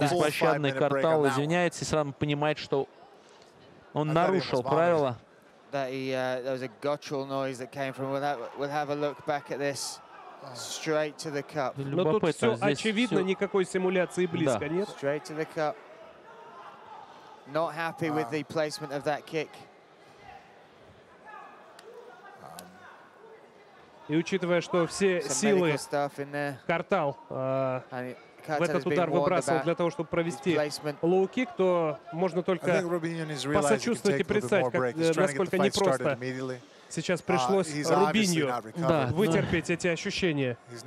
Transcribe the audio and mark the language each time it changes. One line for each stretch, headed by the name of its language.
Russian: Беспощадный Картал извиняется и сразу понимает, что он нарушил правила. Но тут все очевидно, никакой симуляции близко, нет?
English: Straight to the cup. Not happy with the placement of that kick.
Russian: И учитывая, что все силы Картал в этот удар выбрасывал для того, чтобы провести лоу-кик, то можно только посочувствовать и представить, как, насколько непросто сейчас пришлось Рубиньо вытерпеть эти ощущения.